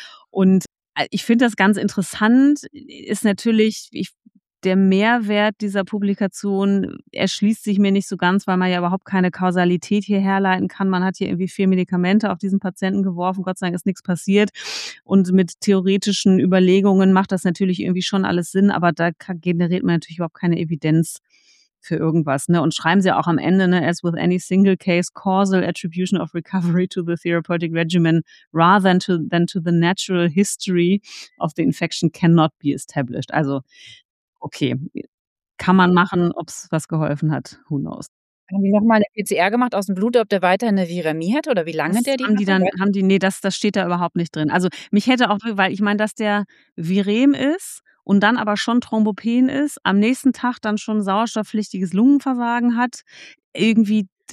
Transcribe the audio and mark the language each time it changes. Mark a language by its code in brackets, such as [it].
[de] Und ich finde das ganz interessant, ist natürlich, der Mehrwert dieser Publikation erschließt sich mir nicht so ganz, weil man ja überhaupt keine Kausalität hier herleiten kann. Man hat hier irgendwie 4 Medikamente auf diesen Patienten geworfen, Gott sei Dank ist nichts passiert. Und mit theoretischen Überlegungen macht das natürlich irgendwie schon alles Sinn, aber da generiert man natürlich überhaupt keine Evidenz für irgendwas, ne? Und schreiben sie auch am Ende, ne? [en] As with any single case, causal attribution of recovery to the therapeutic regimen rather than to the natural history of the infection cannot be established. [de] Also, okay, kann man machen, ob es was geholfen hat, [en] who knows. [de] Haben die nochmal eine PCR gemacht aus dem Blut, ob der weiter eine Viremie hat oder wie lange das der die haben? Das steht da überhaupt nicht drin. Also, mich hätte auch, weil ich meine, dass der Virem ist und dann aber schon Thrombopen ist, am nächsten Tag dann schon sauerstoffpflichtiges Lungenversagen hat, irgendwie.